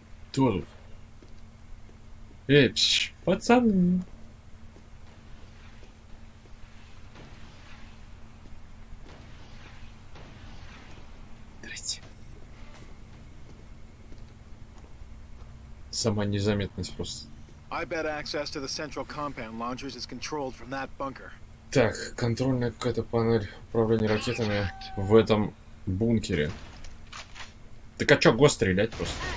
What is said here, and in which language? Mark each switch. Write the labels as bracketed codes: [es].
[ru] Кто тут? Эй, пш, пацаны. Здрасте. Сама незаметность просто. [en] I bet access to the central compound launchers is controlled from that bunker. [ru] Так, контрольная какая-то панель управления ракетами в этом бункере. Так а чё, го стрелять просто?